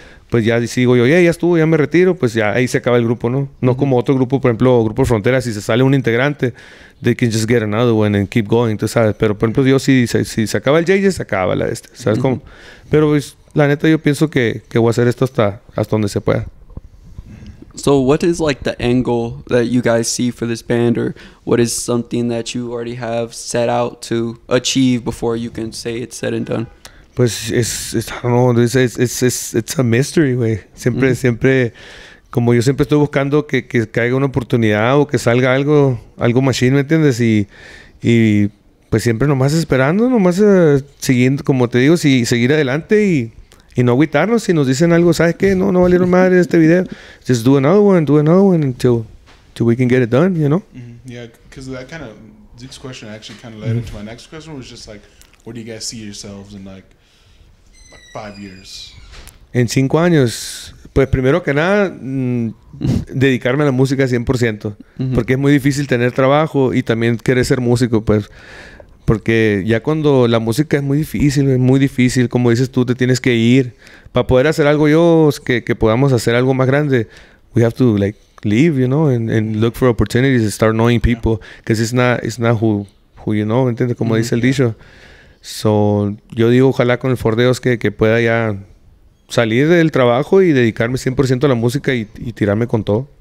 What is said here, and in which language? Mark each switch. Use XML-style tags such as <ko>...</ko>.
<es>Pues ya sigo yo, ya estuvo, ya me retiro, pues ya ahí se acaba el grupo, ¿no? No uh-huh. como otro grupo, por ejemplo, Grupo Frontera, si se sale un integrante,</es> <en>they can just get another one and keep going,</en> <es>tú sabes. Pero por ejemplo, yo si se acaba el JJ, se acaba la este, ¿sabes uh-huh. cómo? Pero pues, la neta, yo pienso que voy a hacer esto hasta donde se pueda.</es> <en>So, what is like the end goal that you guys see for this band, or what is something that you already have set out to achieve before you can say it's said and done? Pues it's a mystery, güey.</en> <es>Siempre, siempre, como yo siempre estoy buscando que caiga una oportunidad o que salga algo machine, ¿me entiendes? Y pues siempre nomás esperando, nomás siguiendo, como te digo, seguir adelante y no agüitarnos. Si nos dicen algo, ¿sabes qué? No valieron madre este video.</es> <en>Just do another one until we can get it done, you know? Mm-hmm. Yeah, because that kind of, Zeke's question actually kind of led into my next question, was just like, what do you guys see yourselves in, like, 5 years.</en> <es>En 5 años, pues primero que nada, dedicarme a la música 100%, uh-huh. porque es muy difícil tener trabajo y también querer ser músico, pues, porque ya cuando la música es muy difícil, como dices tú, te tienes que ir para poder hacer algo yo, que podamos hacer algo más grande.</es> <en>We have to like leave, you know, and look for opportunities and start knowing people, because it's not who you know, ¿entiendes?</en> <es>Como uh-huh. dice el dicho. So, yo digo, ojalá con el Fordeos que pueda ya salir del trabajo y dedicarme 100% a la música y tirarme con todo.</es>